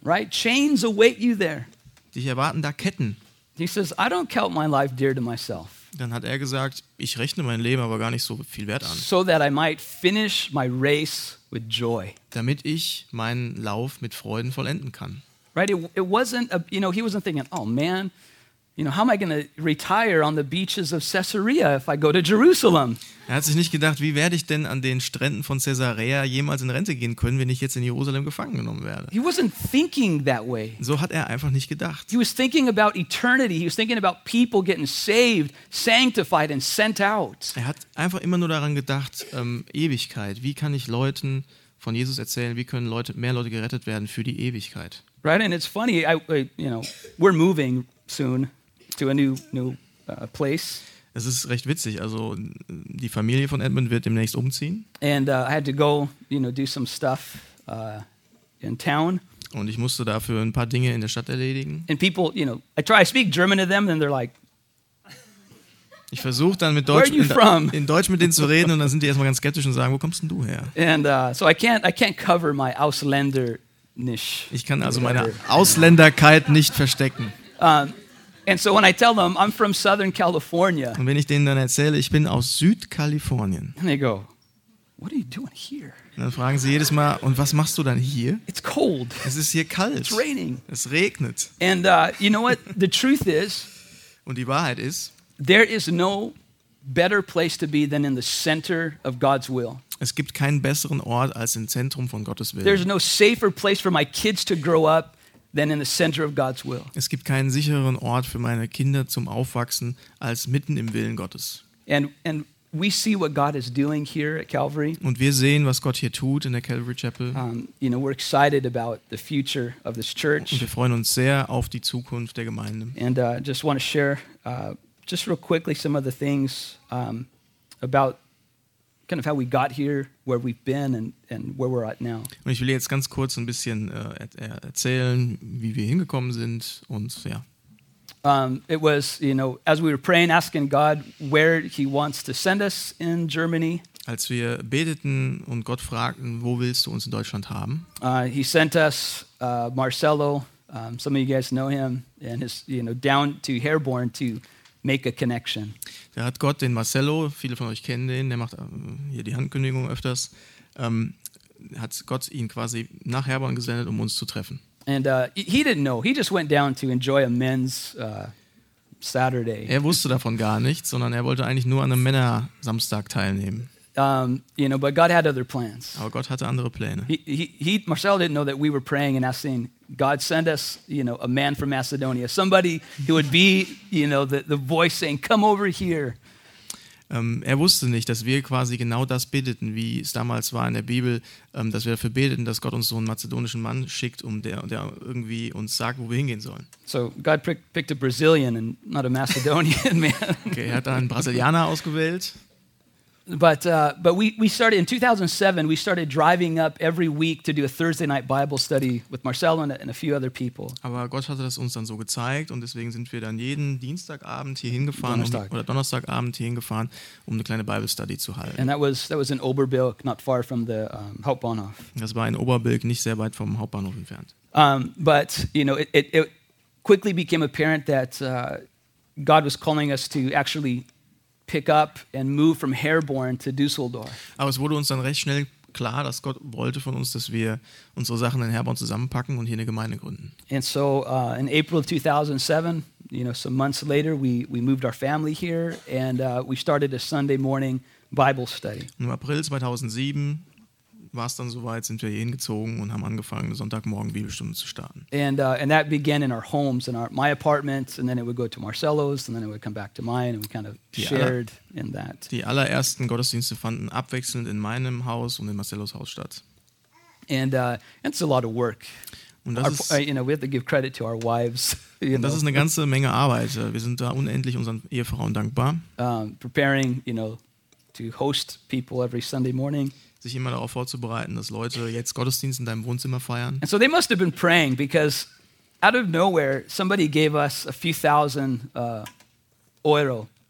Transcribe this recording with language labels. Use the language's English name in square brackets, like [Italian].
[English] Right, chains await you there. [German] Dich erwarten da Ketten. [English] He says, I don't count my life dear to myself. [German] Dann hat er gesagt, ich rechne mein Leben aber gar nicht so viel wert an. [English] So that I might finish my race with joy. [German] Damit ich meinen Lauf mit Freuden vollenden kann. [English] Right, it wasn't, a, you know, he wasn't thinking, oh man, you know, how am I going to retire on the beaches of Caesarea if I go to Jerusalem? [German] Er hat sich nicht gedacht, wie werde ich denn an den Stränden von Caesarea jemals in Rente gehen können, wenn ich jetzt in Jerusalem gefangen genommen werde. [English] He wasn't thinking that way. [German] So hat er einfach nicht gedacht. [English] He was thinking about eternity. He was thinking about people getting saved, sanctified and sent out. [German] Er hat einfach immer nur daran gedacht, Ewigkeit. Wie kann ich Leuten von Jesus erzählen? Wie können Leute, mehr Leute gerettet werden für die Ewigkeit? [English] Right, and it's funny, we're moving soon to a new place. [German] Es ist recht witzig, also die Familie von Edmund wird demnächst umziehen. [English] And I had to go, do some stuff in town. [German] Und ich musste dafür ein paar Dinge in der Stadt erledigen. [English] And people, I try to speak German to them and they're like, [German] ich versuche dann mit Deutsch, in Deutsch mit denen zu reden und dann sind die erstmal ganz skeptisch und sagen, wo kommst denn du her? [English] And so I can't cover my Ausländernisch. [German] Ich kann also meine Ausländerkeit nicht verstecken. [English] And so when I tell them I'm from Southern California. [German] Und wenn ich denen dann erzähle, ich bin aus Südkalifornien. [English] And they go, what are you doing here? [German] Und dann fragen sie jedes Mal, und was machst du dann hier? [English] It's cold. [German] Es ist hier kalt. [English] It's raining. [German] Es regnet. [English] And you know what the truth is? [German] Und die Wahrheit ist, [English] there is no better place to be than in the center of God's will. [German] Es gibt keinen besseren Ort als im Zentrum von Gottes Willen. [English] There's no safer place for my kids to grow up than in the center of God's will. [German] Es gibt keinen sicheren Ort für meine Kinder zum Aufwachsen als mitten im Willen Gottes. [English] And we see what God is doing here at Calvary. [German] Und wir sehen, was Gott hier tut in der Calvary Chapel. [English] You know, we're excited about the future of this church. [German] Und wir freuen uns sehr auf die Zukunft der Gemeinde. [English] And I just want to share just real quickly some of the things about kind of how we got here, where we've been and where we're at now. [German] Und ich will jetzt ganz kurz ein bisschen erzählen, wie wir hingekommen sind und ja. [English] It was, you know, as we were praying, asking God where he wants to send us in Germany. [German] Als wir beteten und Gott fragten, wo willst du uns in Deutschland haben? [English] He sent us Marcelo, some of you guys know him, and his, you know, down to Herborn to make a connection. [German] Da hat Gott den Marcelo, viele von euch kennen den, der macht hier die Handkündigung öfters, hat Gott ihn quasi nach Herborn gesendet, um uns zu treffen. [English] And he didn't know. He just went down to enjoy a men's Saturday. [German] Er wusste davon gar nichts, sondern er wollte eigentlich nur an einem Männersamstag teilnehmen. [English] You know, but God had other plans. [German] Aber Gott hatte andere Pläne. [English] Marcel didn't know that we were praying and asking God send us, you know, a man from Macedonia, somebody who would be, you know, the voice saying, come over here. [German] Er wusste nicht, dass wir quasi genau das beteten, wie es damals war in der Bibel, dass wir dafür beteten, dass Gott uns so einen mazedonischen Mann schickt, um der irgendwie uns sagt, wo wir hingehen sollen. [English] So, God picked a Brazilian and not a Macedonian man. [German] Okay, er hat dann einen Brasilianer ausgewählt. [English] But we started in 2007. We started driving up every week to do a Thursday night Bible study with Marcelo and a few other people. [German] Aber Gott hatte das uns dann so gezeigt und deswegen sind wir dann jeden Dienstagabend hier hingefahren oder Donnerstagabend hier hingefahren, um eine kleine [English] Bible study [German] zu halten. [English] And that was in Oberbilk, not far from the Hauptbahnhof. [German] Das war in Oberbilk, nicht sehr weit vom Hauptbahnhof entfernt. [English] But you know, it quickly became apparent that God was calling us to actually pick up and move from Herborn to Düsseldorf. [German] Aber es wurde uns dann recht schnell klar, dass Gott wollte von uns, dass wir unsere Sachen in Herborn zusammenpacken und hier eine Gemeinde gründen. [English] And so in April of 2007, you know, some months later, we moved our family here and we started a Sunday morning Bible study. [German] Im April 2007 war es dann soweit, sind wir hier hingezogen und haben angefangen, Sonntagmorgen Bibelstunden zu starten. [English] And that began in our homes, in my apartment, and then it would go to Marcelo's, and then it would come back to mine, and we kind of shared in that. [German] Die allerersten Gottesdienste fanden abwechselnd in meinem Haus und in Marcelos Haus statt. [English] And it's a lot of work. [German] Und das ist, [English] you know, we have to give credit to our wives. [German] Und das ist eine ganze Menge Arbeit. Wir sind da unendlich unseren Ehefrauen dankbar. [English] Preparing, you know, to host people every Sunday morning. [German] Sich immer darauf vorzubereiten, dass Leute jetzt Gottesdienst in deinem Wohnzimmer feiern. [English] And so they must have been praying because out of nowhere, somebody gave us a few thousand euro.